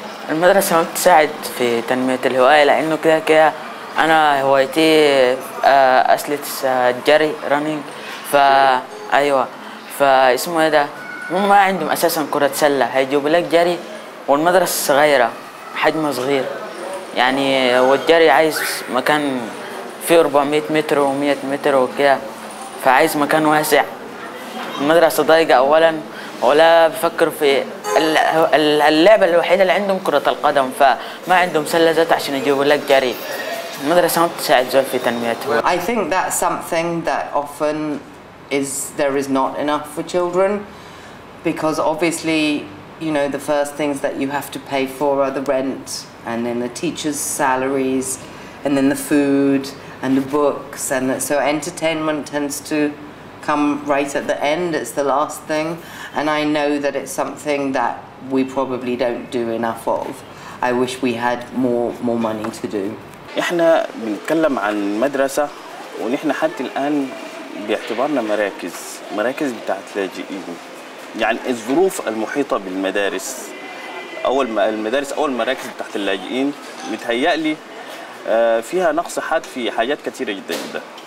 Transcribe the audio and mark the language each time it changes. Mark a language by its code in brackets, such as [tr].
[ar] المدرسه ما بتساعد في تنميه الهوايه، لانه كده كده انا هوايتي اسلت الجري رننج، فايوه فاسمه ايه ده؟ هم ما عندهم اساسا كرة سلة، هيجيبوا لك جري، والمدرسة صغيرة حجمها صغير، يعني والجري عايز مكان فيه 400 متر و100 متر وكده، فعايز مكان واسع. المدرسة ضايقة اولا، ولا بيفكروا في اللعبة الوحيدة اللي عندهم كرة القدم، فما عندهم سلة ذات عشان يجيبوا لك جري. المدرسة ما بتساعد زول في تنميته. [en] I think that's something that often is there is not enough for children, because obviously, you know, the first things that you have to pay for are the rent, and then the teachers' salaries, and then the food, and the books, and so entertainment tends to come right at the end, it's the last thing, and I know that it's something that we probably don't do enough of. I wish we had more money to do. [ar] إحنا بنتكلم عن مدرسة، ونحن حتى الآن باعتبارنا مراكز بتاعت لاجئين. يعني الظروف المحيطة بالمدارس أو المدارس أو المراكز بتاعت اللاجئين متهيألي فيها نقص حاد في حاجات كثيرة جدا جدا.